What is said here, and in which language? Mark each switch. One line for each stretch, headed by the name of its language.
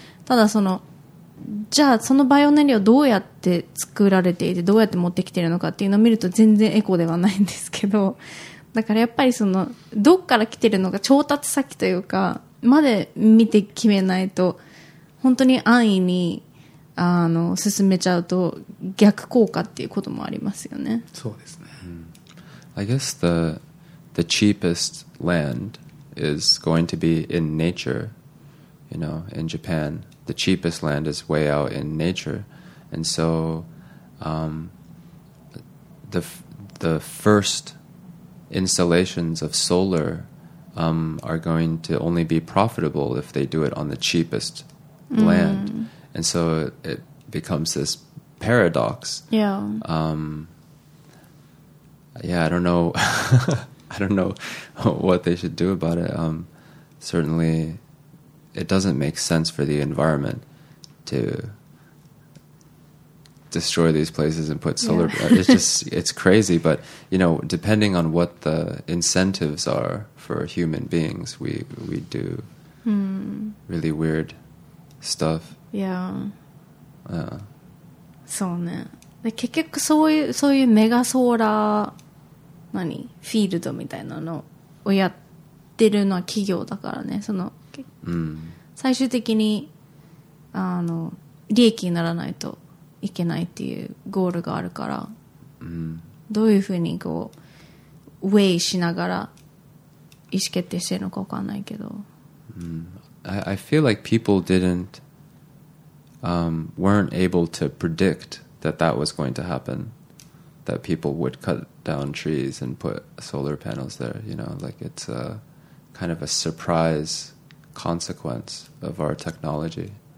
Japanese: ただそのじゃあそのバイオ燃料どうやって作られていて、どうやって持ってきているのかっていうのを見ると全然エコではないんですけど、だからやっぱりそのどっから来ているのか、調達先というかまで見て決めないと、本当に安易にあの進めちゃうと逆効果っていうこともありますよね。そうですね、
English: I guess the cheapest land is going to be in nature, you know, in Japan. The cheapest land is way out in nature, and so the first installations of solar are going to only be profitable if they do it on the cheapest land, and so it becomes this paradox. Yeah. Yeah, I don't know. I don't know what they should do about it. Certainly. It doesn't make sense for the environment to destroy these places and put solar. Yeah. it's crazy. But you know, depending on what the incentives are for human beings, we do really weird stuff. Yeah.
Japanese: そうね。で、結局そういうメガソーラー何フィールドみたいなのをやってるのは企業だからね。その最終的にあの利益にならないといけないっていうゴールがあるから、どういうふうにこうウェイしながら意思決定してるのか分かんないけど、
English: I feel like people didn't weren't able to predict that was going to happen, that people would cut down trees and put solar panels there, you know, like it's a kind of a surpriseconsequence of our technology.